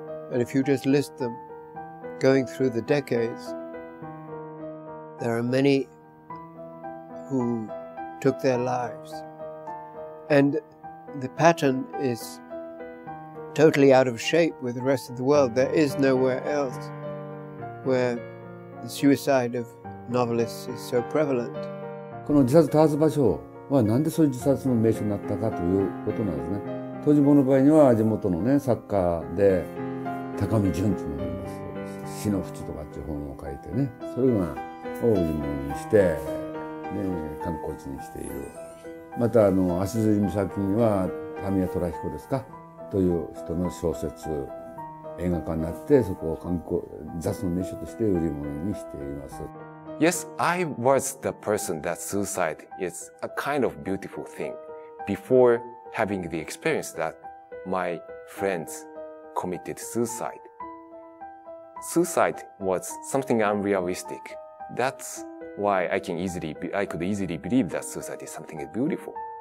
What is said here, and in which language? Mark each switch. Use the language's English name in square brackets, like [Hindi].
[English] And if you just list them going through the decades, there are many who took their lives. And the pattern is totally out of shape with the rest of the world. There is nowhere else where the suicide of novelists is so prevalent. [Japanese] この自殺多発場所はなんでそういう自殺の名所になったかということなんですね。当時僕の場合には地元のね、作家で高見淳というのがあります。死の淵とかっていう本を書いてね、それが大売り物にして、ね、観光地にしている。また、足摺岬には、タミヤ・トラヒコですか、という人の小説、映画化になって、そこを観光、雑の名所として売り物にしています。 [English] Yes, I was the person that suicide is a kind of beautiful thing before having the experience that my friends committed suicide. Suicide was something unrealistic. That's why I could easily believe that suicide is something beautiful.